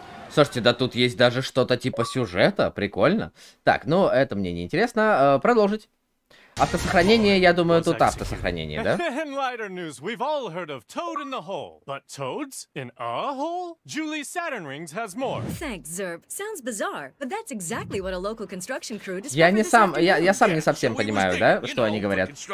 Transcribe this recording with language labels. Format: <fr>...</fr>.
<ru>Слушайте, да тут есть даже что-то типа сюжета. Прикольно. Так, ну, это мне не интересно. Продолжить. Автосохранение, я думаю, тут автосохранение, да?</ru> <en>And lighter news, we've all heard of Toad in the Hole. But Toads in a hole? Julie Saturn Rings has more. Thanks, Zerb. Sounds bizarre, but that's exactly what a local construction crew discovered.</en> <ru>Я не сам, я сам не совсем понимаю, да, что они говорят.</ru>